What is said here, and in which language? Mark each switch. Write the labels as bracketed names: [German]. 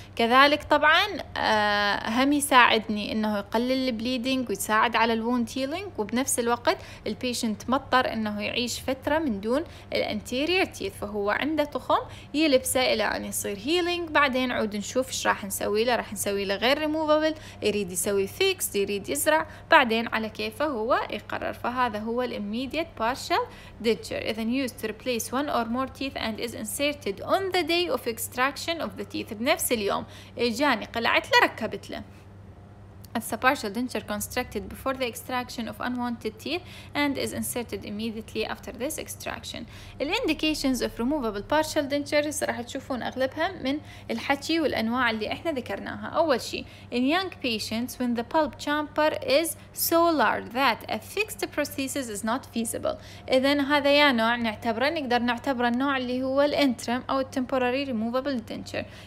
[Arabic] كذلك طبعا هم يساعدني انه يقلل البليدينج ويساعد على الوونت هيلينج، وبنفس الوقت البيشنت مضطر انه يعيش فترة من دون الانتيرير تيث، فهو عنده تخم يلبسه الى ان يصير هيلينج، بعدين عود نشوف ايش راح نسوي له، راح نسوي له غير ريموفابل، يريد يسوي فيكس، يريد يزرع، بعدين على كيفه هو يقرر. فهذا هو الاميديت بارشل دنتشر، اذا [English] use to replace one or more teeth and is inserted on the day of extraction of the teeth، [Arabic] بنفس اليوم اجاني قلعت له ركبت له، [English] It's a partial denture constructed before the extraction of unwanted teeth and is inserted immediately after this extraction. The indications of removable partial dentures [Arabic] راح تشوفون أغلبها من الحكي والأنواع اللي إحنا ذكرناها. أول شيء, [English] in young patients when the pulp chamber is so large that a fixed prosthesis is not feasible. [Arabic] إذا هذا يا نوع نعتبره, نقدر نعتبره النوع اللي هو الانترم أو temporary removable denture.